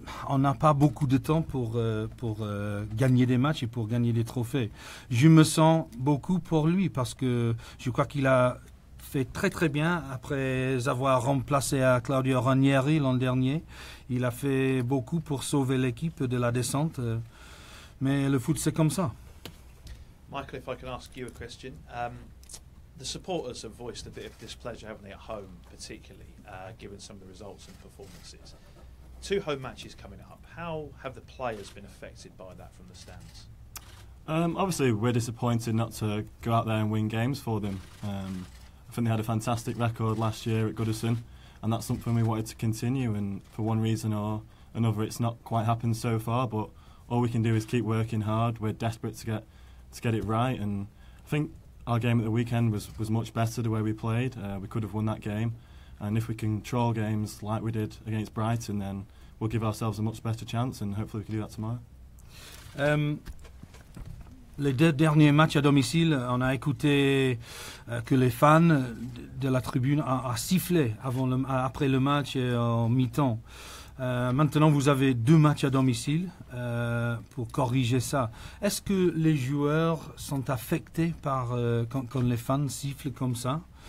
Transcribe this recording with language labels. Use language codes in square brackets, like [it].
[fr] on n'a pas beaucoup de temps pour gagner des matchs et pour gagner des trophées. Je me sens beaucoup pour lui parce que je crois qu'il a fait très très bien après avoir remplacé à Claudio Ranieri l'an dernier. Il a fait beaucoup pour sauver l'équipe de la descente. Mais le foot, c'est comme ça. [en] Michael, if I can ask you a question. The supporters have voiced a bit of displeasure, haven't they, at home particularly, given some of the results and performances. Two home matches coming up. How have the players been affected by that from the stands? Obviously, we're disappointed not to go out there and win games for them. I think they had a fantastic record last year at Goodison, and that's something we wanted to continue. And for one reason or another, it's not quite happened so far, but all we can do is keep working hard. We're desperate to get it right, and I think our game at the weekend was much better the way we played. We could have won that game, and if we can control games like we did against Brighton, then we'll give ourselves a much better chance, and hopefully we can do that tomorrow. [fr] Les deux derniers matchs à domicile, on a écouté que les fans de la tribune a sifflé après le match en mi-temps. Maintenant, vous avez deux matchs à domicile pour corriger ça. Est-ce que les joueurs sont affectés par quand les fans sifflent comme ça?